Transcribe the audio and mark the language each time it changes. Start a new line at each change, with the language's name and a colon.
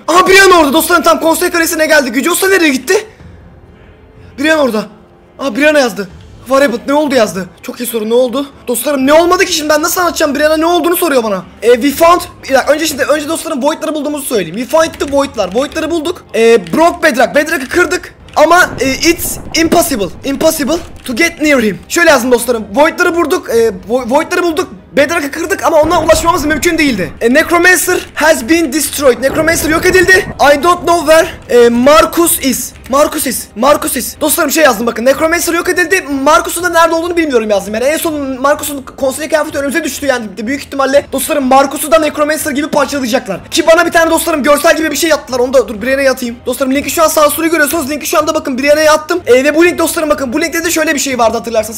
Turkish: Aha Brian orada dostlarım, tam konsey kalesine geldik. Yüce Usta nereye gitti? Brian orada. Aha Brian yazdı. Variable ne oldu yazdı. Çok iyi soru, ne oldu? Dostlarım ne olmadı ki şimdi, ben nasıl anlatacağım Brian'a ne olduğunu soruyor bana.
English: We found...
Turkish: Bir dakika, önce dostlarım Void'ları bulduğumuzu söyleyeyim.
English: We found the Void'lar.
Turkish: Void'ları bulduk.
English: Broke Bedrock.
Turkish: Bedrock'ı kırdık.
English: Ama it's impossible to get near him.
Turkish: Şöyle yazdım dostlarım. Void'ları bulduk. Void'ları bulduk. Bedrock'ı kırdık ama ona ulaşmamız mümkün değildi.
English: Necromancer has been destroyed.
Turkish: Necromancer yok edildi.
English: I don't know where Marcus is. Markusis. Markusis.
Turkish: Dostlarım şey yazdım bakın. Necromancer yok edildi. Markus'un da nerede olduğunu bilmiyorum yazdım. Yani en son Markus'un konseye kıyafeti önümüze düştü yani. Büyük ihtimalle dostlarım Markus'u da Necromancer gibi parçalayacaklar. Ki bana bir tane dostlarım görsel gibi bir şey yattılar. Onu da dur Brienne'e yatayım. Dostlarım linki şu an sağ suyu görüyorsunuz. Linki şu anda bakın Brienne'e yattım. Ve bu link dostlarım bakın. Bu linkte de şöyle bir şey vardı hatırlarsanız.